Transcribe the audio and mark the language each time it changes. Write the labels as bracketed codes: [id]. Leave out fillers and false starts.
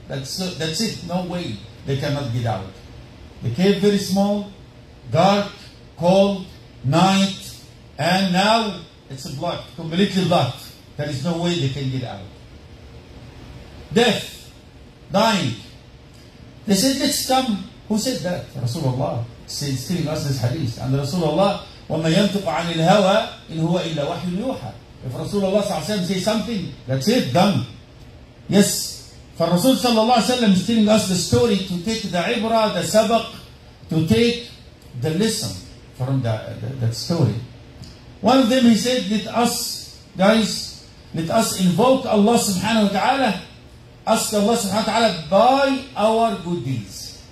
[en] That's it. No way. They cannot get out. The cave very small, dark, cold, night, and now it's blocked, completely locked. There is no way they can get out. Death, dying. They said, let's come. Who said that? Rasulullah. He's telling us this hadith. [ar] And Rasulullah, وَمَا يَنْتُقُ عَنِ الْهَوَىٰ إِنْ هُوَ إِلَّا وَحْيٌ يُوحَىٰ. [en] If Rasulullah say something, that's it, done. Yes. For Rasul sallallahu alayhi wa sallam is telling us the story to take the ibrah, the sabak, to take the lesson from that story. One of them, he said, let us, guys, let us invoke Allah subhanahu wa ta'ala, ask Allah subhanahu wa ta'ala by our good deeds.